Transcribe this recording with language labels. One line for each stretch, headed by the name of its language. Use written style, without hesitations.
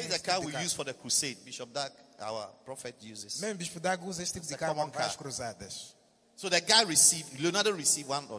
English: This is the car we use for the crusade. Bishop Dag, our prophet, uses.
Portuguese: Mem Bishop Dag usa este tipo de carro para as cruzadas.
English: So the guy received, Leonardo received one of